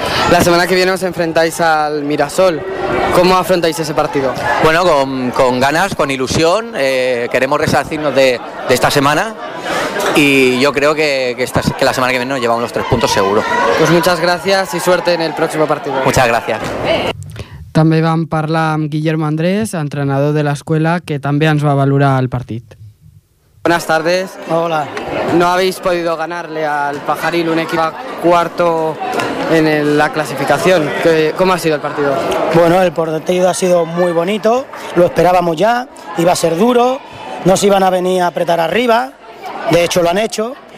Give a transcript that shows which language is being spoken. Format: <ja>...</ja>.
<es>La semana que viene os enfrentáis al Mirasol. ¿Cómo afrontáis ese partido? Bueno, con ganas, con ilusión, queremos resarcirnos de esta semana. Y yo creo que la semana que viene nos llevamos los 3 puntos seguro. Pues muchas gracias y suerte en el próximo partido. Muchas gracias.</es> <ca>També vam parlar amb Guillermo Andrés, entrenador de l'escola, que també ens va valorar el partit.</ca> <es>Buenas tardes. Hola. No habéis podido ganarle al Pajaril, un equipo cuarto en la clasificación. ¿Cómo ha sido el partido? Bueno, el partido ha sido muy bonito, lo esperábamos ya, iba a ser duro, no se iban a venir a apretar arriba, de hecho lo han hecho.</es>